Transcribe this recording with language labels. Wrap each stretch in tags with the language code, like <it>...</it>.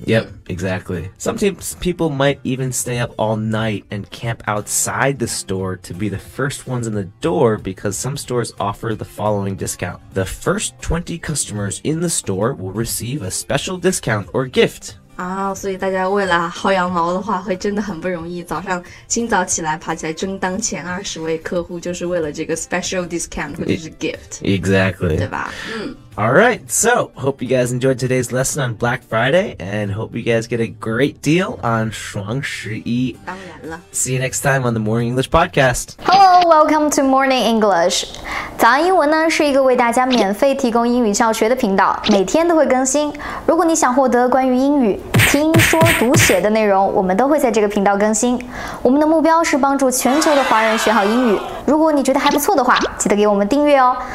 <en>Yep, exactly. Sometimes people might even stay up all night and camp outside the store to be the first ones in the door because some stores offer the following discount. The first 20 customers in the store will receive a special discount or gift.</en> <zh>啊，所以大家为了薅羊毛的话会真的很不容易，早上清早起来爬起来争当前20位客户就是为了这个 special discount 或者是 gift.</zh> <en>Exactly.</en> <zh>对吧？</zh> <en>Alright, so hope you guys enjoyed today's lesson on Black Friday and hope you guys get a great deal on 双十一。</en> <zh>当然了。</zh> <en>See you next time on the Morning English Podcast. Hello, welcome to Morning English.</en> <zh>早安英文呢是一个为大家免费提供英语教学的频道，每天都会更新。如果你想获得关于英语听说读写的内容，我们都会在这个频道更新。我们的目标是帮助全球的华人学好英语。如果你觉得还不错的话，记得给我们订阅哦。</zh>